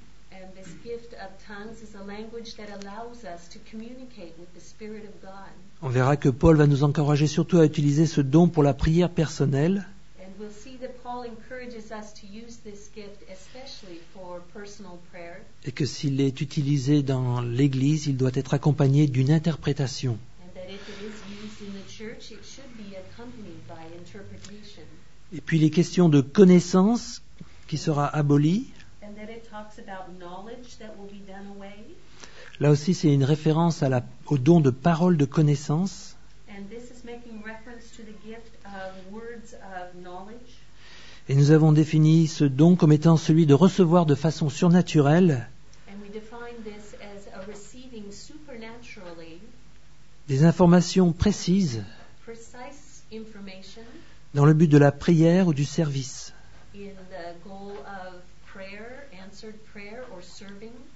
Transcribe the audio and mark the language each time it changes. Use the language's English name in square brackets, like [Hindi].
[English] And this gift of tongues is a language that allows us to communicate with the Spirit of God. [French] On verra que Paul va nous encourager surtout à utiliser ce don pour la prière personnelle. [English] We'll see that Paul encourages us to use this gift especially for personal prayer. [French] Et que s'il est utilisé dans l'église, il doit être accompagné d'une interprétation. [English] And that if it is used in the church, it should be accompanied by interpretation. [French] Et puis les questions de connaissance qui sera abolie. [English] And that it talks about knowledge that will be done away. [French] Là aussi c'est une référence au don de parole de connaissance. [English] And this is making reference to the gift of words of knowledge. [French] Et nous avons défini ce don comme étant celui de recevoir de façon surnaturelle. [English] And we define this as a receiving supernaturally. [French] Des informations précises. [English] Precise information. [French] Dans le but de la prière ou du service. [English] In the goal of prayer, answered prayer or serving.